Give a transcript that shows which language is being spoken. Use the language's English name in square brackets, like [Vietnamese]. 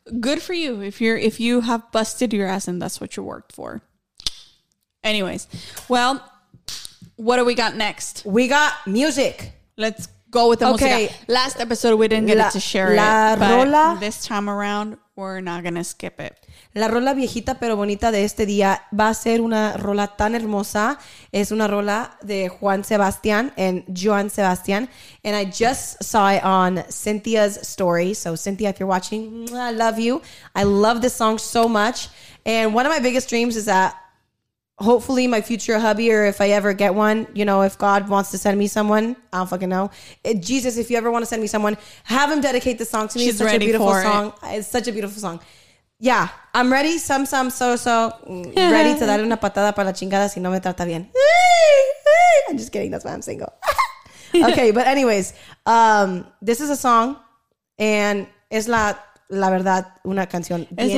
[English] Good for you if you have busted your ass and that's what you worked for. Anyways, well. What do we got next? We got music. Let's go with the música. Last episode, we didn't get it to share [Spanish] la [English] it. [Spanish] La rola. [English] But this time around, we're not going to skip it. [Spanish] La rola viejita pero bonita de este día va a ser una rola tan hermosa. Es una rola de Juan Sebastián and Joan Sebastián. [English] And I just saw it on Cynthia's story. So Cynthia, if you're watching, I love you. I love this song so much. And one of my biggest dreams is that hopefully my future hubby, or if I ever get one, you know, if God wants to send me someone, I don't fucking know. Jesus, if you ever want to send me someone, have him dedicate this song to me. She's it's such ready a beautiful for song. It. It's such a beautiful song. Yeah, I'm ready. So. Ready to [Spanish] darle una patada para la chingada si no me trata bien. [English] I'm just kidding. That's why I'm single. Okay, but anyways, this is a song and [Spanish] es la verdad una canción bien